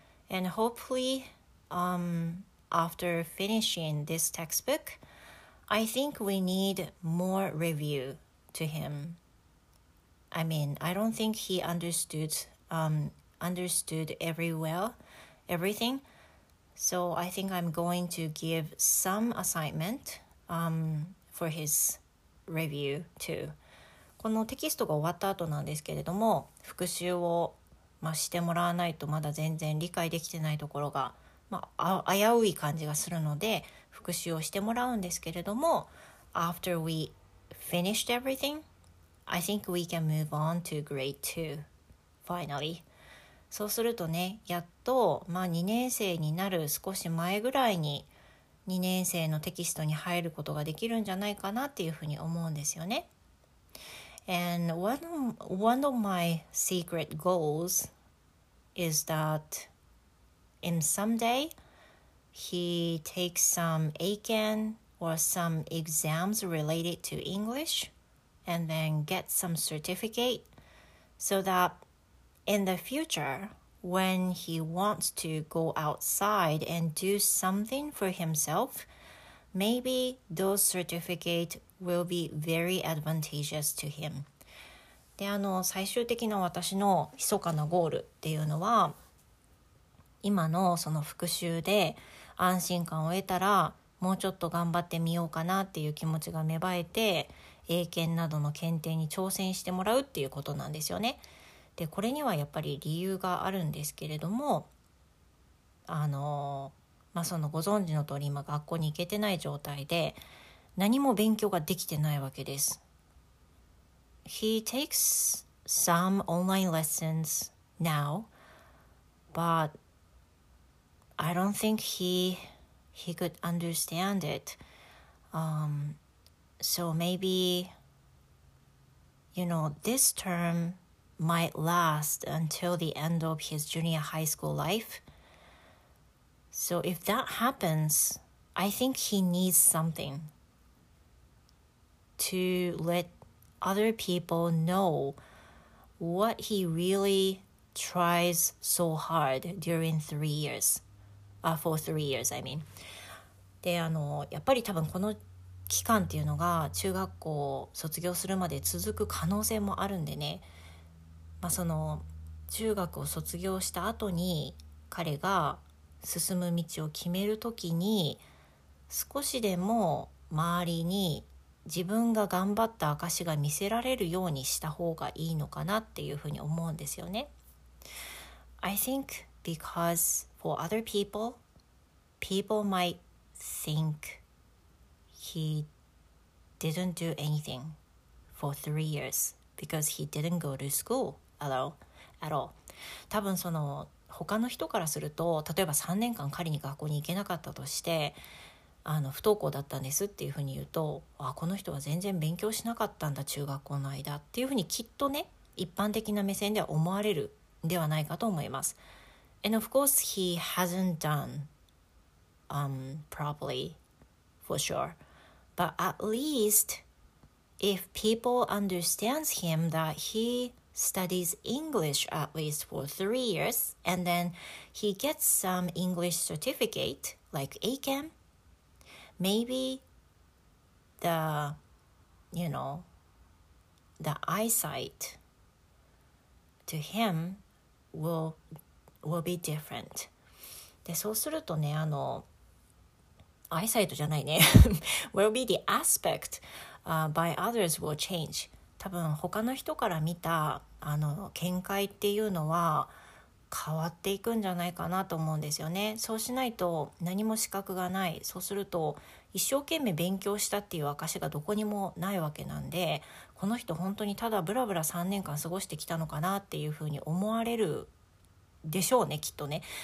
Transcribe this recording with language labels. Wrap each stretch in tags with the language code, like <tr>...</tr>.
<en>And hopefully, after finishing this textbook, I think we need more review to him. I mean, I don't think he understood everything. So I think I'm going to give some assignment for his review too.</en> <ja>このテキストが終わった後なんですけれども、復習を、まあ、してもらわないとまだ全然理解できてないところが、まあ、危うい感じがするので、復習をしてもらうんですけれども、</ja> <en>After we finished everything, I think we can move on to grade 2 finally.</en> <ja>そうするとね、やっと、まあ、2年生になる少し前ぐらいに2年生のテキストに入ることができるんじゃないかなっていうふうに思うんですよね。</ja> <en>And one of my secret goals is that in someday he takes some AKEN or some exams related to English and then get some certificate so that in the futureWhen he wants to go outside and do something for himself, maybe those certificate will be very advantageous to him.</en> <ja>で、最終的な私の密かなゴールっていうのは、今のその復習で安心感を得たら、もうちょっと頑張ってみようかなっていう気持ちが芽生えて、英検などの検定に挑戦してもらうっていうことなんですよね。で、これにはやっぱり理由があるんですけれども、まあ、そのご存知の通り今学校に行けてない状態で何も勉強ができてないわけです。</ja> <en>He takes some online lessons now, but I don't think he could understand it. So maybe, you know, this termmight last until the end of his junior high school life. So if that happens, I think he needs something to let other people know what he really tries so hard during 3 years. For 3 years, I mean.</en> <ja>で、やっぱり多分この期間っていうのが中学校を卒業するまで続く可能性もあるんでね。まあ、その中学を卒業した後に彼が進む道を決めるときに、少しでも周りに自分が頑張った証が見せられるようにした方がいいのかなっていうふうに思うんですよね。</ja> <en>I think because for other people might think he didn't do anything for 3 years because he didn't go to school at all.</en> <ja>多分その他の人からすると、例えば3年間仮に学校に行けなかったとして、不登校だったんですっていうふうに言うと、あ、この人は全然勉強しなかったんだ中学校の間っていうふうに、きっとね、一般的な目線では思われるではないかと思います。</ja> <en>And of course he hasn't done properly for sure, but at least if people understands him that he studies English at least for 3 years and then he gets some English certificate like AKEN, maybe the eyesight to him will be different.</en> <ja>で、そうするとね、eyesight じゃないね</ja> <en>will be the aspect by others will change.</en> <ja>多分他の人から見た見解っていうのは、変わっていくんじゃないかなと思うんですよね。そうしないと何も資格がない、そうすると一生懸命勉強したっていう証がどこにもないわけなんで、この人本当にただブラブラ3年間過ごしてきたのかなっていうふうに思われるでしょうね、きっとね。</ja>